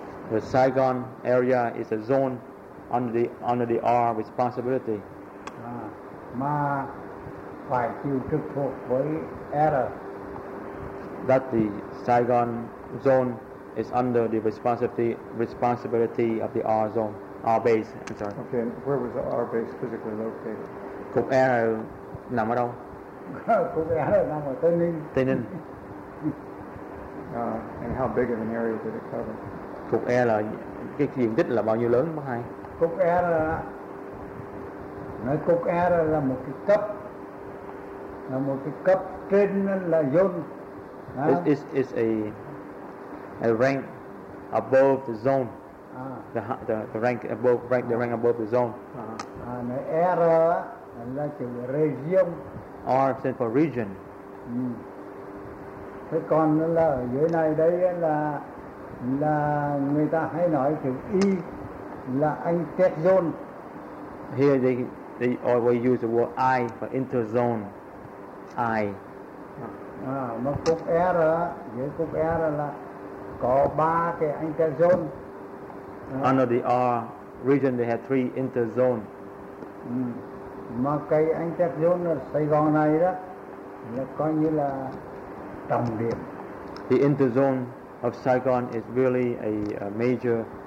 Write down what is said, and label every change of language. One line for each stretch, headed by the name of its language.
English: The Saigon area is a zone under the R responsibility.
Vietnamese: Mà phải chịu trực thuộc với R.
English: That the Saigon zone is under the responsibility of the R zone, R base. I'm sorry. Okay, where was the R base physically located?
Vietnamese: Cục R nằm ở đâu? Cục R nằm ở Tây Ninh. Tây Ninh.
English: And how big of an area did it cover?
Vietnamese: Cục R là cái diện tích là bao nhiêu lớn bác Hai? Cục R là nói cục R là một cái cấp, là một cái cấp trên là zone.
English: It's a rank above the zone. The rank above the zone.
Vietnamese: R là chữ region.
English: R stands for region.
Vietnamese: Thế còn là ở dưới này đây là người ta hay nói chữ Y là inter zone.
English: Here they always use the word I for inter zone. I.
Vietnamese: Mà cục R dưới cục R là có ba cái inter zone.
English: Under the R region they have three inter zone.
Vietnamese: Mà cái inter zone ở Sài Gòn này đó là coi như là trọng điểm.
English: The inter zone of Saigon is really a major